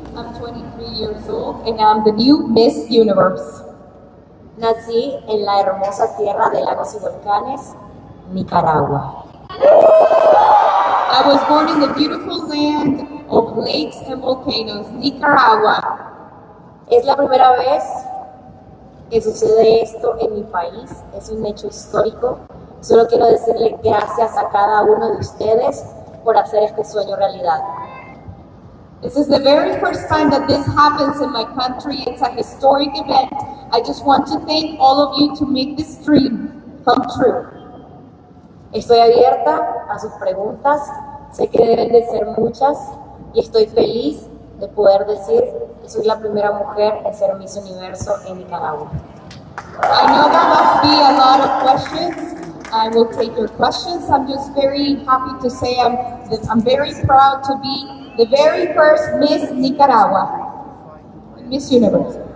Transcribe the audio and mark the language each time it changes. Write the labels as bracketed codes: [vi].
[en] I'm 23 years old and I'm the new Miss Universe. [es] Nací en la hermosa tierra de lagos y volcanes, Nicaragua. [en] I was born in the beautiful land of lakes and volcanoes, Nicaragua. [es] Es la primera vez que sucede esto en mi país. Es un hecho histórico. Solo quiero decirle gracias a cada uno de ustedes por hacer este sueño realidad. [en] This is the very first time that this happens in my country. It's a historic event. I just want to thank all of you to make this dream come true. [es] Estoy abierta a sus preguntas. Sé que deben de ser muchas. Y estoy feliz de poder decir que soy la primera mujer en ser Miss Universo en Nicaragua. [en] I know there must be a lot of questions. I will take your questions. I'm just very happy to say I'm very proud to be the very first Miss Nicaragua, Miss Universe.